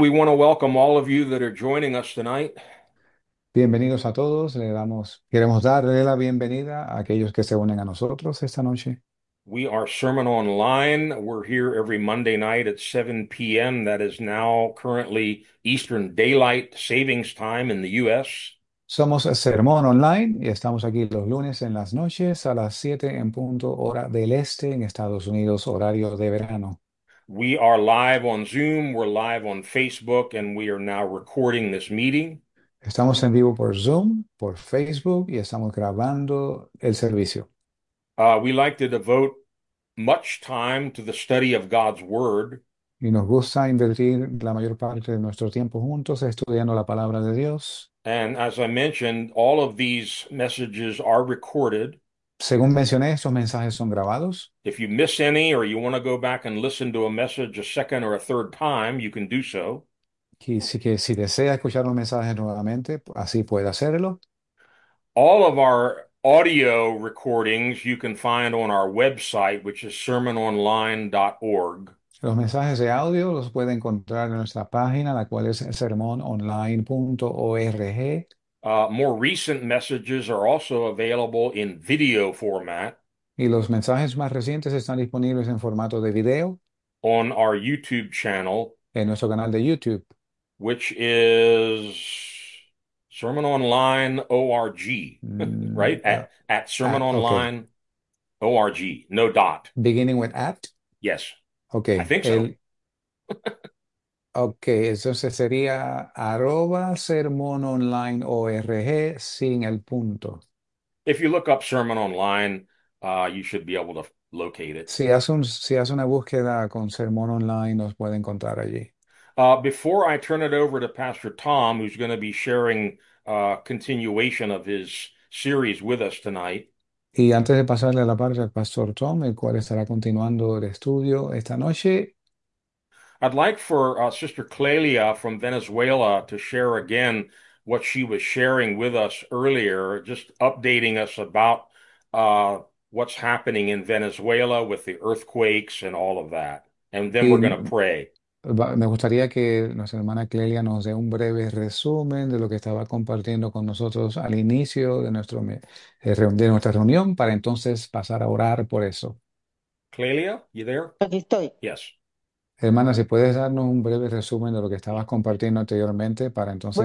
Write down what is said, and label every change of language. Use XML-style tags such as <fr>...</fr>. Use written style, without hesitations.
<en>We want to welcome all of you that are joining us tonight.</en> <es>Bienvenidos a todos. Queremos darle la bienvenida a aquellos que se unen a nosotros esta noche.</es> <en>We are Sermon Online. We're here every Monday night at 7 p.m. That is now currently Eastern Daylight Savings Time in the U.S.</en> <es>Somos Sermón Online y estamos aquí los lunes en las noches a las 7 en punto, hora del este en Estados Unidos, horario de verano.</es> <en>We are live on Zoom, we're live on Facebook, and we are now recording this meeting.</en> <es>Estamos en vivo por Zoom, por Facebook y estamos grabando el servicio.</es> <en>We like to devote much time to the study of God's Word.</en> <es>Y nos gusta invertir la mayor parte de nuestro tiempo juntos estudiando la palabra de Dios.</es> <en>And as I mentioned, all of these messages are recorded.</en> <es>Según mencioné, estos mensajes son grabados.</es> <en>If you miss any, or you want to go back and listen to a message a second or a third time, you can do so.</en> <es>Y sí que si desea escuchar un mensaje nuevamente, así puede hacerlo.</es> <en>All of our audio recordings you can find on our website, which is sermononline.org.</en> <es>Los mensajes de audio los puede encontrar en nuestra página, la cual es sermononline.org.</es> <en>More recent messages are also available in video format.</en> <es>Y los mensajes más recientes están disponibles en formato de video</es> <en>On our YouTube channel,</en> <es>en nuestro canal de YouTube.</es> <en>which is Sermon Online ORG, right? At Sermon Okay. Online ORG, no dot. Beginning with at. Yes, I Okay. think so.</en> <es>Okay, entonces sería arroba sermón online ORG sin el punto.</es> <en>If you look up Sermon Online, you should be able to locate it.</en> <es>Si hace una búsqueda con sermón online, nos puede encontrar allí.</es> <en>Before I turn it over to Pastor Tom, who's going to be sharing a continuation of his series with us tonight,</en> <es>Y antes de pasarle la palabra al pastor Tom, el cual estará continuando el estudio esta noche.</es> <en>I'd like for Sister Clelia from Venezuela to share again what she was sharing with us earlier, just updating us about what's happening in Venezuela with the earthquakes and all of that. And then we're going to</en> <es>Y</es> <en>pray.</en> <es>me gustaría que nuestra hermana Clelia nos dé un breve resumen de lo que estaba compartiendo con nosotros al inicio de nuestra reunión, para entonces pasar a orar por eso.</es> <en>Clelia, you there?</en> <es>Aquí estoy.</es> <en>Yes.</en> <es>Hermana, si puedes darnos un breve resumen de lo que estabas compartiendo anteriormente, para entonces</es>